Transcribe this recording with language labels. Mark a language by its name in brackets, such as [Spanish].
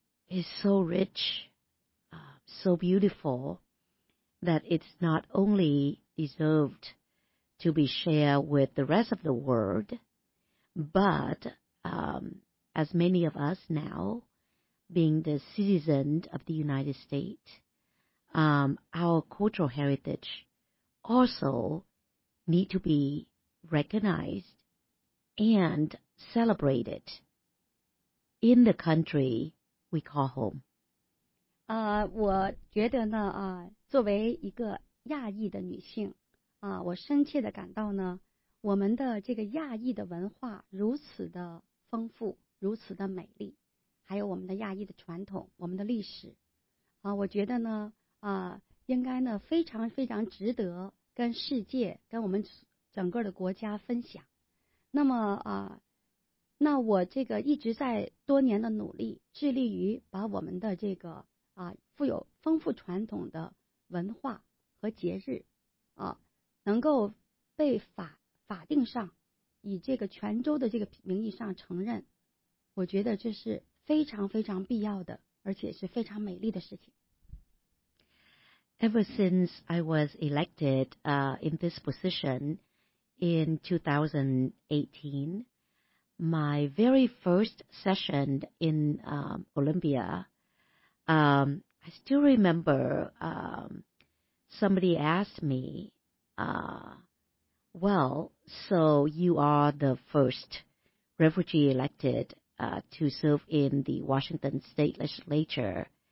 [English] is so rich, so beautiful, that it's not only deserved to be shared with the rest of the world, but as many of us now, being the citizens of the United States, our cultural heritage also need to be recognized and celebrated in the country we call home. [Chinese] 我觉得呢作为一个亚裔的女性我深切的感到呢，我们的这个亚裔的文化如此的丰富，如此的美丽，还有我们的亚裔的传统，我们的历史我觉得呢应该呢非常非常值得跟世界，跟我们整个的国家分享。那么那我这个一直在多年的努力，致力于把我们的这个富有丰富传统的文化和节日能够被法定上以这个泉州的这个名义上承认，我觉得这是非常非常必要的，而且是非常美丽的事情。 [English] Ever since I was elected in this position in 2018, my very first session in Olympia, I still remember somebody asked me, well, so you are the first refugee elected to serve in the Washington State Legislature.